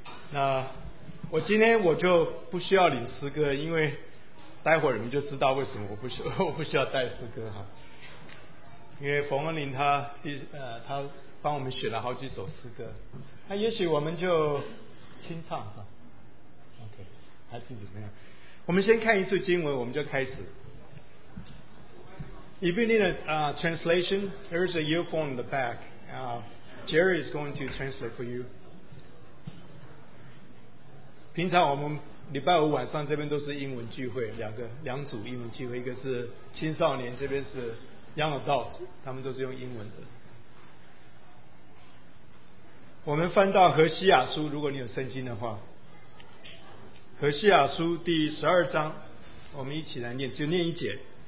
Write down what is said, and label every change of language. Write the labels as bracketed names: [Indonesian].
[Chinese] 那我今天我就不需要领诗歌，因为待会儿你们就知道为什么我不需要带诗歌哈。因为冯恩林他帮我们选了好几首诗歌，那也许我们就清唱哈。 OK， 还是怎么样？我们先看一次经文，我们就开始。 [English] If you need a translation, there's a earphone in the back. Jerry is going to translate for you. [Chinese] 平常我们礼拜五晚上这边都是英文聚会，两组英文聚会，一个是青少年，这边是 young adults， 他们都是用英文的。我们翻到何西雅书，如果你有圣经的话，何西雅书第十二章，我们一起来念，就念一节。